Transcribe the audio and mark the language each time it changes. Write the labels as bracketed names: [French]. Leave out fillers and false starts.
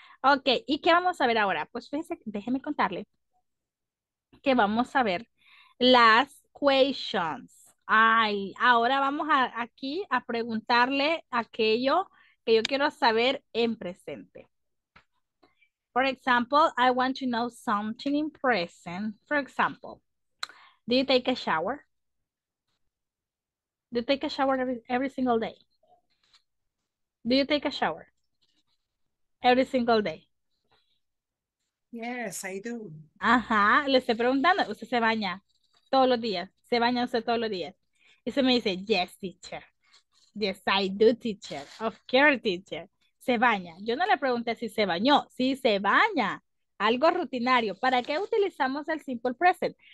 [Spanish] Ok, ¿y qué vamos a ver ahora? Pues fíjese, déjeme contarle que vamos a ver las questions. Ay, ahora vamos aquí a preguntarle aquello que yo quiero saber en presente. [English] For example, I want to know something in present. For example, do you take a shower? Do you take a shower every single day? Do you take a shower every single day? Yes, I do. [Spanish] Ajá, le estoy preguntando. ¿Usted se baña todos los días? ¿Se baña usted todos los días? Y se me dice, [English] yes, teacher. Yes, I do, teacher. Of course, teacher. [Spanish] Se baña. Yo no le pregunté si se bañó. Sí, se baña. Algo rutinario. ¿Para qué utilizamos el simple present?